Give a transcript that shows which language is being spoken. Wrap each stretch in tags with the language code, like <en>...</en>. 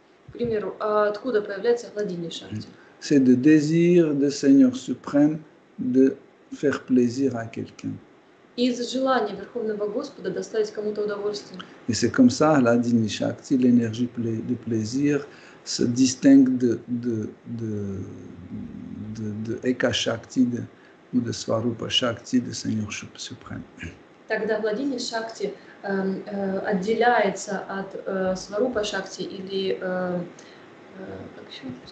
<ru>К примеру, откуда появляется Hladini Shakti?</ru> <fr>C'est le désir du Seigneur Suprême de faire plaisir à quelqu'un.</fr> <ru>Из желания Верховного Господа доставить кому-то удовольствие.</ru> <fr>Et c'est comme ça, Hladini Shakti, l'énergie de plaisir, se distingue de Eka Shakti ou de Swarupa Shakti du Seigneur Suprême.</fr> <ru>Тогда Hladini Shakti отделяется от Swarupa Shakti или как еще</ru>